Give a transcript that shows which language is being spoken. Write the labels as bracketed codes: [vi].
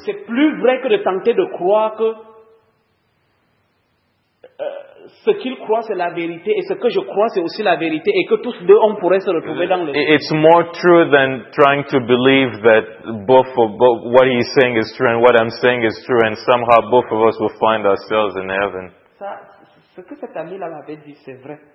[fr] C'est plus vrai que de tenter de croire que ce qu'il croit c'est la vérité et ce que je crois c'est aussi la vérité et que tous deux on pourrait se retrouver dans le. [en] It's more true than trying to believe that both what he's saying is true and what I'm saying is true and somehow both of us will find ourselves in heaven. [fr] Ça, ce que cet ami là m'avait dit c'est vrai.